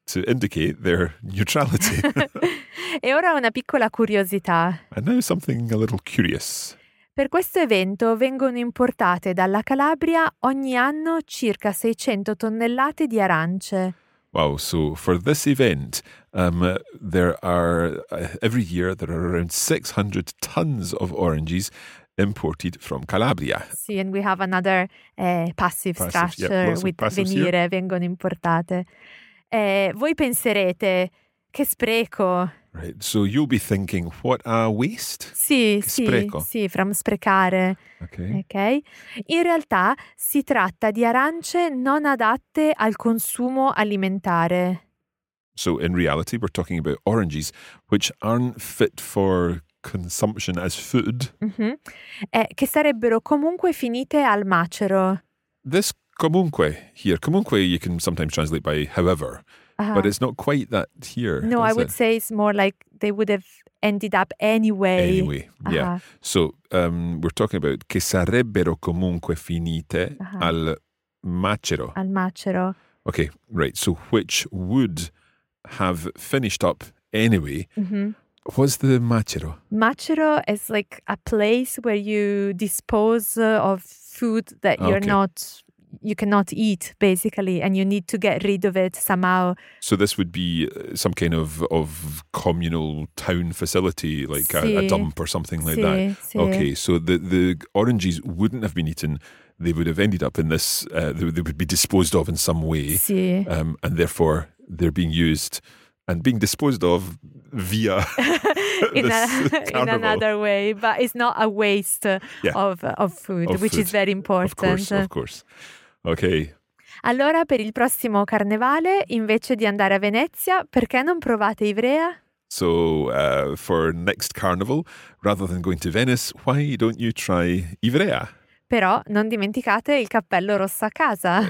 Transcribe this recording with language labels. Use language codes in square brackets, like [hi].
[en] To indicate their neutrality. [it] E ora una piccola curiosità. [en] And now something a little curious. [it] Per questo evento vengono importate dalla Calabria ogni anno circa 600 tonnellate di arance. [en] Wow, so for this event, there are, every year, there are around 600 tons of oranges imported from Calabria. Sì, and we have another passive structure, yeah, with venire, here. [it] Vengono importate. Voi penserete, che spreco! [en] Right, so you'll be thinking, what a waste? [it] Sì, che sì, spreco. [en] Sì, from sprecare. Okay. Okay. [it] In realtà si tratta di arance non adatte al consumo alimentare. [en] So in reality we're talking about oranges which aren't fit for consumption as food, mm-hmm. [it] Che sarebbero comunque finite al macero. [en] This comunque here, comunque you can sometimes translate by however, uh-huh. but it's not quite that here. No, I it? Would say it's more like they would have ended up anyway. Anyway, uh-huh. yeah. So we're talking about [it] che sarebbero comunque finite [en] uh-huh. [it] al macero. Al macero. [en] Okay, right. So which would have finished up anyway. Mm-hmm. What's the macero? Macero is like a place where you dispose of food that you're okay. not, you cannot eat, basically, and you need to get rid of it somehow. So this would be some kind of communal town facility, like [it] sì. [en] a dump or something like [it] sì, [en] that. [it] Sì. [en] Okay, so the oranges wouldn't have been eaten. They would have ended up in this, they would be disposed of in some way. [it] Sì. [en] And therefore, they're being used and being disposed of via in another way, but it's not a waste yeah. of food, which is very important. Of course. Okay. [it] Allora, per il prossimo carnevale, invece di andare a Venezia, perché non provate Ivrea? [en] So, for next carnival, rather than going to Venice, why don't you try Ivrea? [it] Però non dimenticate il cappello rosso a casa.